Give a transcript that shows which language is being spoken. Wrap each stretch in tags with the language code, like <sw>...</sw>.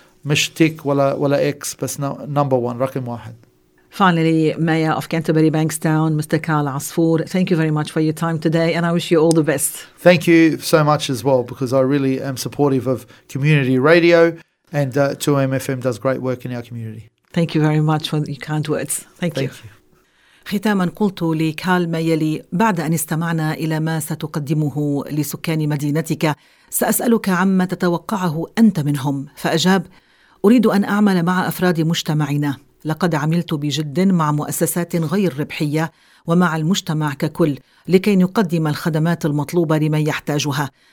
<ar>مش تيك ولا إكس بس</ar> <en>number one,</en> <ar>رقم واحد.</ar> <en>Finally, Mayor of Canterbury Bankstown, Mr. Carl Asford, thank you very much for your time today, and I wish you all the best. Thank you so much as well, because I really am supportive of community radio, and 2MFM does great work in our community. Thank you very much for your kind words. Thank you.</en> <ar>ختاماً قلت لكارل ما يلي بعد أن استمعنا إلى ما ستقدمه لسكان مدينتك سأسألك عما تتوقعه أنت منهم فأجاب أريد أن أعمل مع أفراد مجتمعنا لقد عملت بجد مع مؤسسات غير ربحية ومع المجتمع ككل لكي نقدم الخدمات المطلوبة لمن يحتاجها</ar>